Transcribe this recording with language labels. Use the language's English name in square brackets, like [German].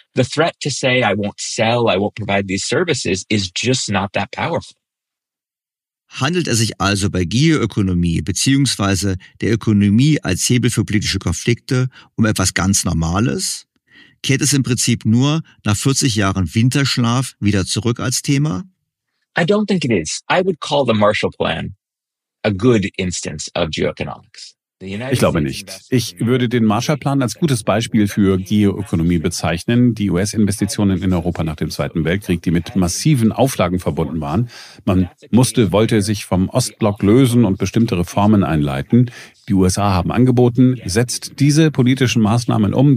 [English] The threat to say, I won't sell, I won't provide these services is just not that powerful. [German] Handelt es sich also bei Geoökonomie bzw. der Ökonomie als Hebel für politische Konflikte um etwas ganz Normales? Kehrt es im Prinzip nur nach 40 Jahren Winterschlaf wieder zurück als Thema? [English] I don't think it is. I would call the Marshall Plan a good instance of geoeconomics. [German] Ich glaube nicht. Ich würde den Marshallplan als gutes Beispiel für Geoökonomie bezeichnen. Die US-Investitionen in Europa nach dem Zweiten Weltkrieg, die mit massiven Auflagen verbunden waren. Man musste, wollte sich vom Ostblock lösen und bestimmte Reformen einleiten. Die USA haben angeboten, setzt diese politischen Maßnahmen um.